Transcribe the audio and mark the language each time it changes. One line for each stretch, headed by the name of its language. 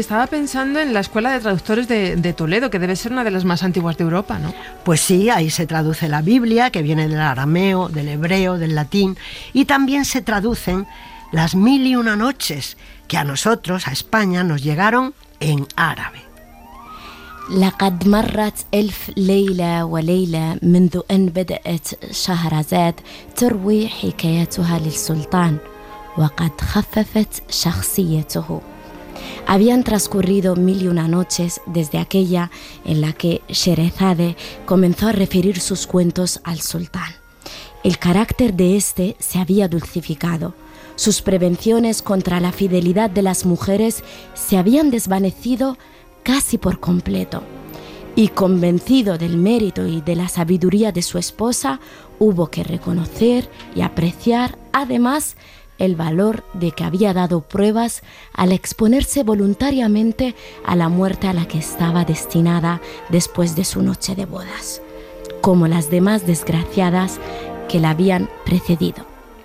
Spanish: Estaba pensando en la Escuela de Traductores de Toledo, que debe ser una de las más antiguas de Europa, ¿no? Pues sí, ahí se traduce la Biblia, que viene del arameo, del hebreo, del latín, y también se traducen las Mil y Una Noches, que a nosotros, a España, nos llegaron en árabe.
Arabic: لقد مرت ألف ليلة وليلة منذ أن بدأت شهرزاد تروي حكايتها للسلطان وقد خففت شخصيته.
Spanish: Habían transcurrido mil y una noches desde aquella en la que Sherezade comenzó a referir sus cuentos al sultán. El carácter de este se había dulcificado. Sus prevenciones contra la fidelidad de las mujeres se habían desvanecido casi por completo, y convencido del mérito y de la sabiduría de su esposa, hubo que reconocer y apreciar además el valor de que había dado pruebas al exponerse voluntariamente a la muerte a la que estaba destinada después de su noche de bodas, como las demás desgraciadas que la habían precedido.